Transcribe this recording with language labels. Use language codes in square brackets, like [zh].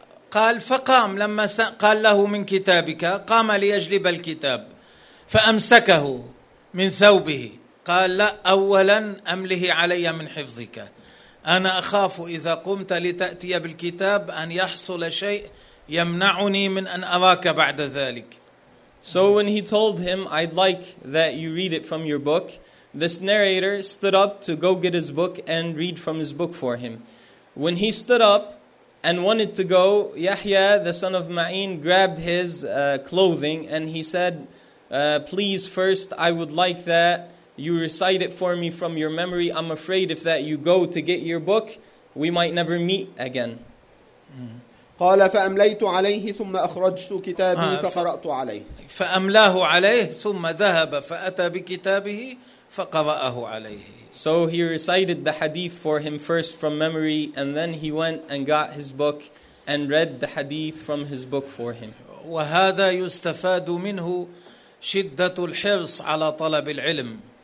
[ar] قال فقام لما قال له من كتابك قام ليجلب الكتاب فأمسكه من ثوبه قال لا أولا أمله علي من حفظك أنا أخاف إذا قمت لتأتي بالكتاب أن يحصل شيء يمنعني من أن أراك بعد ذلك. [en] So when he told him, I'd like that you read it from your book, this narrator stood up to go get his book and read from his book for him. When he stood up and wanted to go, Yahya, the son of Ma'in, grabbed his clothing and he said, please first, I would like that you recite it for me from your memory. I'm afraid if that you go to get your book, we might never meet again. [ar] قال فأمليت عليه ثم أخرجت كتابي فقرأت عليه فأملاه عليه ثم ذهب فأتى بكتابه فقرأه عليه. [en] So he recited the hadith for him first from memory and then he went and got his book and read the hadith from his book for him. [ar] وهذا يستفاد منه شدة الحرص على طلب العلم.